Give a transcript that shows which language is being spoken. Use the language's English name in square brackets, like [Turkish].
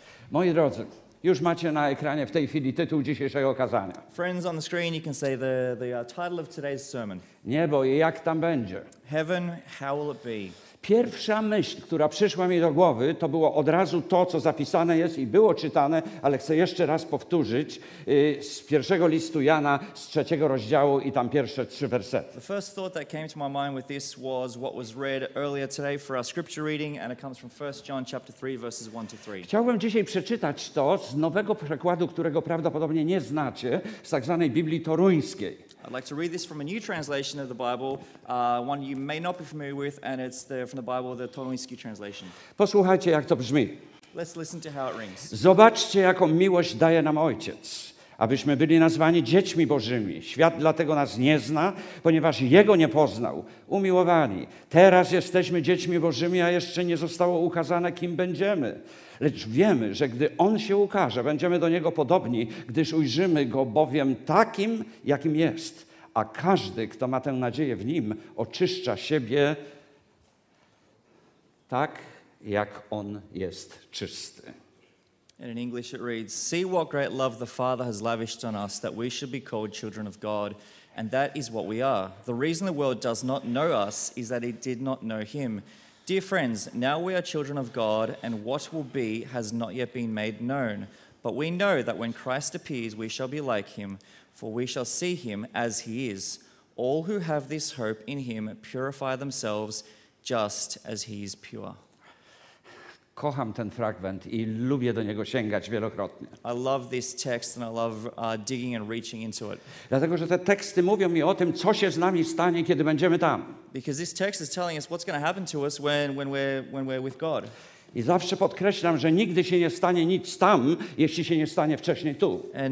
[Polish] Moi drodzy, już macie na ekranie w tej chwili tytuł dzisiejszego kazania. [English] Friends on the screen, you can see the title of today's sermon. [Polish] Niebo i jak tam będzie? [English] Heaven, how will it be? [Polish] Pierwsza myśl, która przyszła mi do głowy, to było od razu to, co zapisane jest i było czytane, ale chcę jeszcze raz powtórzyć z pierwszego listu Jana, z trzeciego rozdziału i tam pierwsze trzy wersety. [English] The first thought that came to my mind with this was what was read earlier today for our scripture reading, and it comes from 1 John chapter 3, verses 1 to 3. [Polish] Chciałbym dzisiaj przeczytać to z nowego przekładu, którego prawdopodobnie nie znacie, z tak zwanej Biblii Toruńskiej. [English] I'd like to read this from a new translation of the Bible, one you may not be familiar with, and it's from the Bible, the Toruński translation. [Polish] Posłuchajcie, jak to brzmi. [English] Let's listen to how it rings. [Polish] Zobaczcie, jaką miłość daje nam Ojciec, abyśmy byli nazwani dziećmi Bożymi. Świat dlatego nas nie zna, ponieważ Jego nie poznał. Umiłowani, teraz jesteśmy dziećmi Bożymi, a jeszcze nie zostało ukazane, kim będziemy. Lecz wiemy, że gdy On się ukaże, będziemy do Niego podobni, gdyż ujrzymy Go bowiem takim, jakim jest. A każdy, kto ma tę nadzieję w Nim, oczyszcza siebie tak, jak On jest czysty. [English] And in English it reads, "See what great love the Father has lavished on us, that we should be called children of God, and that is what we are. The reason the world does not know us is that it did not know Him. Dear friends, now we are children of God, and what will be has not yet been made known. But we know that when Christ appears, we shall be like Him, for we shall see Him as He is. All who have this hope in Him purify themselves, just as He is pure." [Polish] Kocham ten fragment i lubię do niego sięgać wielokrotnie. [English] I love this text and I love digging and reaching into it. [Polish] Dlatego, że te teksty mówią mi o tym, co się z nami stanie, kiedy będziemy tam. [English] Because this text is telling us what's going to happen to us when we're with God. [Polish] I zawsze podkreślam, że nigdy się nie stanie nic tam, jeśli się nie stanie wcześniej tu.